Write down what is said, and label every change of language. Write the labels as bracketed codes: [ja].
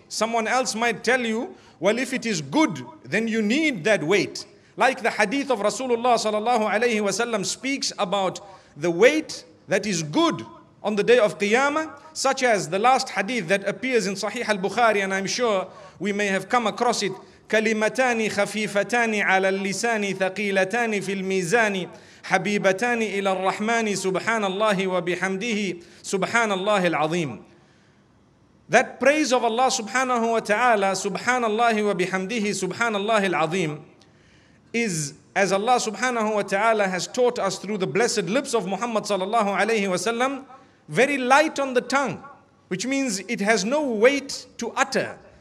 [en] Someone else might tell you, well, if it is good, then you need that weight. Like the hadith of Rasulullah sallallahu alayhi wa sallam speaks about the weight that is good on the day of Qiyamah, such as the last hadith that appears in Sahih al-Bukhari, and I'm sure we may have come across it. [ar] كلمتان خفيفتان على اللسان ثقيلتان في الميزان حبيبتان إلى الرحمن سبحان الله وبحمده سبحان الله العظيم. [en] That praise of Allah subhanahu wa ta'ala, [ar] subhanallahi wa bihamdihi, subhanallahi al-azim, [en] is, as Allah subhanahu wa ta'ala has taught us through the blessed lips of Muhammad sallallahu alayhi wa sallam, very light on the tongue, which means it has no weight to utter.